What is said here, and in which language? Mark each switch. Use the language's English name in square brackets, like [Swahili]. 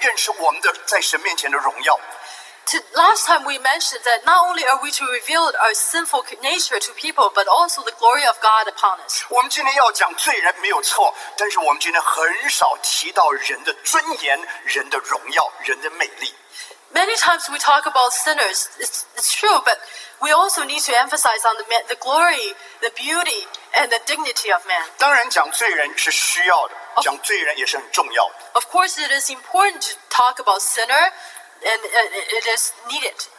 [Chinese] 上次我提到说，今天我们实在需要不只是让人看见我们的罪性，也要让人认识我们的在神面前的荣耀。 [English] To last time we mentioned that not only are we to reveal our sinful nature to people, but also the glory of God upon us. [Chinese] 我们今天要讲罪人没有错，但是我们今天很少提到人的尊严、人的荣耀、人的美丽。 [English] Many times we talk about sinners, it's true, but we also need to emphasize on the glory, the beauty, and the dignity of man. [Chinese] 当然讲罪人是需要的，讲罪人也是很重要的。 [English] Of course, it is important to talk about sinner, and it is needed.